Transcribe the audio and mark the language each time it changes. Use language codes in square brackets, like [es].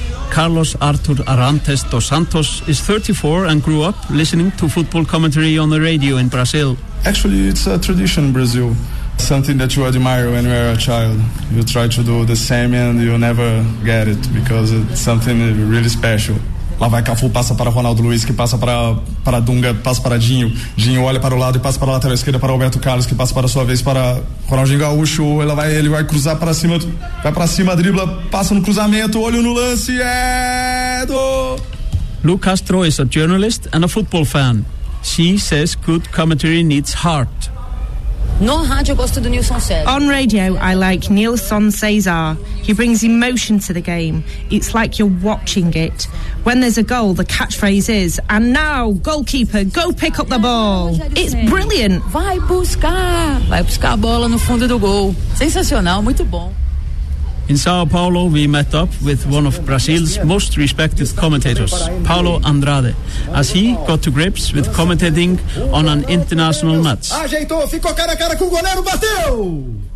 [en] Carlos Artur Arantes dos Santos is 34 and grew up listening to football commentary on the radio in Brazil. Actually, it's a tradition in Brazil. Something that you admire when you are a child. You try to do the same and you never get it because it's something really special. [pt] Lá vai Cafu, passa para Ronaldo Luiz, que passa para Dunga, passa para Dinho. Dinho olha para o lado e passa para a lateral esquerda para Roberto Carlos, que passa para a sua vez para Ronaldinho Gaúcho. Ele vai cruzar para cima, vai para cima, dribla, passa no cruzamento, olho no lance, é do... [en] Lu Castro is a journalist and a football fan. She says good commentary needs heart. [pt] No rádio eu gosto do Nilson César. [en] On radio I like Nilson César. He brings emotion to the game. It's like you're watching it. When there's a goal, the catchphrase is, and now, goalkeeper, go pick up the ball. It's brilliant. [pt] Vai buscar a bola no fundo do gol. Sensacional, muito bom. [en] In Sao Paulo, we met up with one of Brazil's most respected commentators, Paulo Andrade, as he got to grips with commentating on an international match. [pt] Ajeitou, ficou cara a cara com o goleiro, bateu!